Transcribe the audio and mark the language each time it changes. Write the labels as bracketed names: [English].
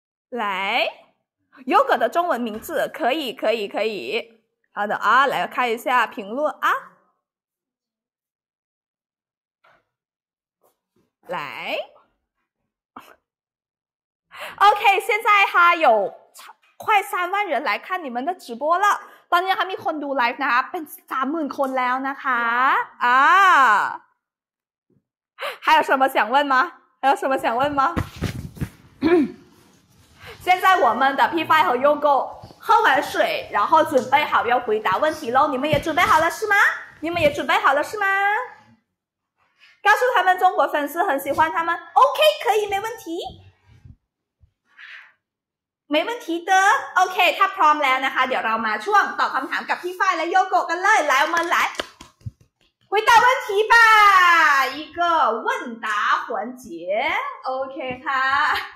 [Chinese] 来 ，Yoko 的中文名字，可以，可以，可以。好的啊，来看一下评论啊。来 ，OK， 现在哈有快30,000人来看你们的直播了。 [Thai] ตอนนี้ค่ะมีคนดูไลฟ์นะคะเป็น30,000 คนแล้วนะคะอ่า [Chinese] 还有什么想问吗？还有什么想问吗？现在我们的 P5 和 Yoko 喝完水，然后准备好要回答问题喽。你们也准备好了是吗？你们也准备好了是吗？告诉他们中国粉丝很喜欢他们 ，OK， 可以，没问题，没问题的 ，OK， 他 prom 了呢哈， [Thai] เดี๋ยวเรามาช่วงตอบคำถามกับพี่ฝ้ายและโยโกะกันเลย， [Chinese] 来，我们来回答问题吧，一个问答环节 ，OK 哈